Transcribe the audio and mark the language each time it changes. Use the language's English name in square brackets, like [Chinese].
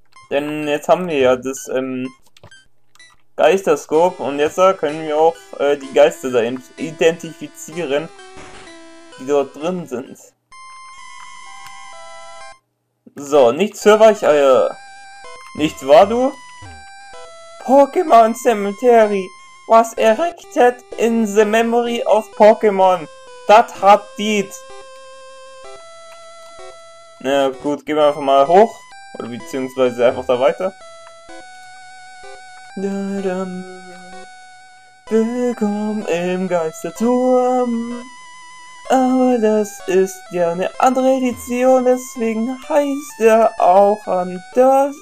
[German] Denn jetzt haben wir ja das Geisterscope und jetzt können wir auch die Geister da identifizieren, die dort drin sind. So, nichts für Weicheier. Nicht wahr, du? Pokémon Cemetery. [English] Was erected in the memory of Pokémon? [German] Das hat Deed. Na gut, gehen wir einfach mal hoch. Oder beziehungsweise einfach da weiter. Da -dam. Willkommen im Geisterturm. Aber das ist ja eine andere Edition, deswegen heißt er auch anders.